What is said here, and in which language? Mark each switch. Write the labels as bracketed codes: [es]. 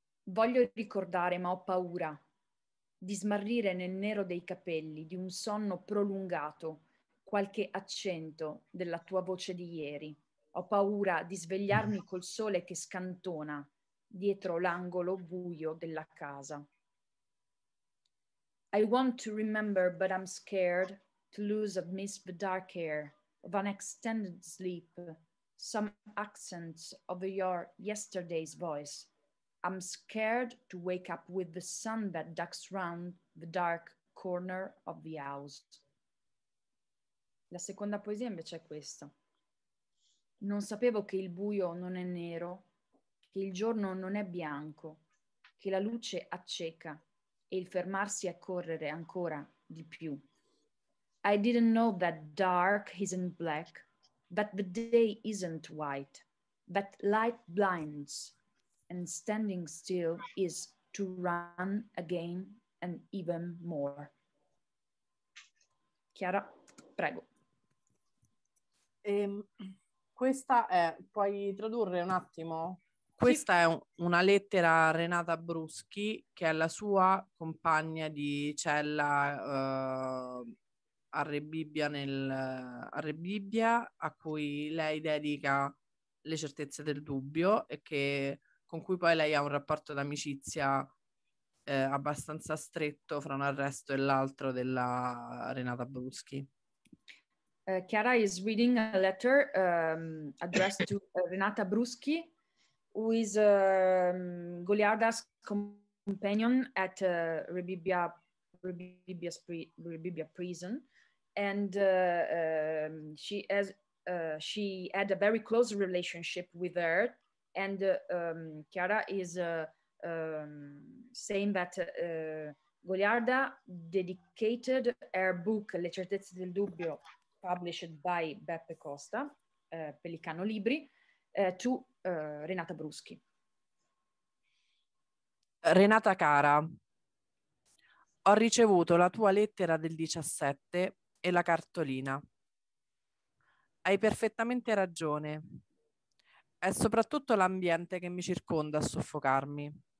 [it] Voglio ricordare, ma ho paura di smarrire nel nero dei capelli di un sonno prolungato qualche accento della tua voce di ieri. Ho paura di svegliarmi col sole che scantona dietro l'angolo buio della casa. [en] I want to remember, but I'm scared to lose amidst the dark air of an extended sleep some accents of your yesterday's voice. I'm scared to wake up with the sun that ducks round the dark corner of the house. [it] La seconda poesia invece è questa. Non sapevo che il buio non è nero, che il giorno non è bianco, che la luce acceca e il fermarsi a correre ancora di più. [en] I didn't know that dark isn't black, that the day isn't white, that light blinds. And standing still is to run again and even more. Chiara, prego. [it] Questa è, puoi tradurre un attimo? Questa è una lettera a Renata Bruschi, che è la sua compagna di cella a Rebibbia, a cui lei dedica le certezze del dubbio e che, con cui poi lei ha un rapporto d'amicizia abbastanza stretto fra un arresto e l'altro della Renata Bruschi. [en] Chiara is reading a letter addressed to Renata Bruschi, who is Goliarda's companion at Rebibbia prison, and she had a very close relationship with her, and Chiara is saying that Goliarda dedicated her book Le certezze del dubbio, published by Beppe Costa, Pelicano Libri, to Renata Bruschi. [it] Renata cara, ho ricevuto la tua lettera del 17 e la cartolina. Hai perfettamente ragione. È soprattutto l'ambiente che mi circonda a soffocarmi.